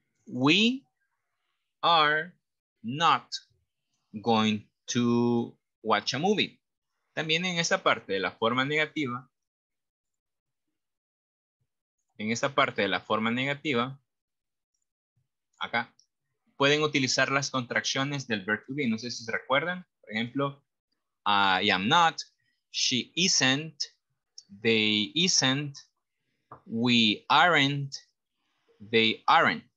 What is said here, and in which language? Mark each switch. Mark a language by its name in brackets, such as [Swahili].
[English] We are not going to watch a movie. [Spanish] También en esta parte de la forma negativa, en esta parte de la forma negativa, acá, pueden utilizar las contracciones del verb to be. No sé si se recuerdan. Por ejemplo, [English] I am not, she isn't, they isn't, we aren't, they aren't.